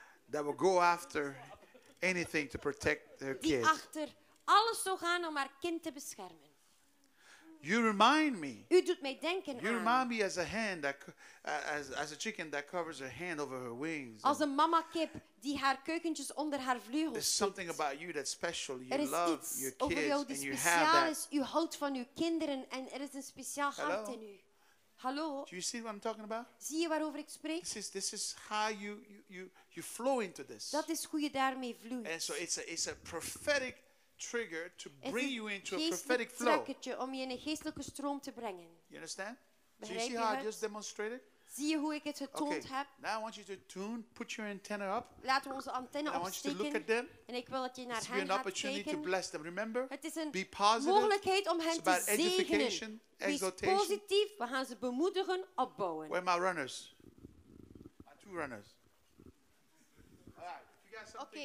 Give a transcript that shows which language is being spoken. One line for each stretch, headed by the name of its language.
English: That will go after anything to protect her
Dutch: die
English: kids.
Dutch: Die achter alles zou gaan om haar kind te beschermen.
English: You remind me.
Dutch: U doet mij denken aan.
English: You remind me as a hen that, as a chicken that covers her hand over her wings.
Dutch: Als een mama kip die haar kuikentjes onder haar vleugels.
English: There's something about you that's special. You love your kids
Dutch: over jou die
English: and you
Dutch: speciaal
English: have
Dutch: is. U houdt van uw kinderen en er is een speciaal hart in u. Hallo.
English: Do you see what I'm talking about?
Dutch: Zie je waarover ik spreek?
English: This is how you flow into this.
Dutch: Dat is hoe je daarmee vloeit.
English: And so it's a prophetic trigger to bring you into a prophetic flow.
Dutch: Om je in een geestelijke stroom te brengen.
English: You understand? Do you see how I just demonstrated?
Dutch: Zie je hoe ik het getoond heb?
English: Okay. Now I want you to tune, put your antenna up.
Dutch: Laten we onze antenne opsteken.
English: I want you to look at them.
Dutch: En ik wil dat je naar hen kijkt.
English: An opportunity to bless them. Remember?
Dutch: Het is een mogelijkheid om hen te zegenen.
English: It's about edification, exhortation.
Dutch: Positief. We gaan ze bemoedigen, opbouwen.
English: Where are my runners? My two runners. Alright, if you got something,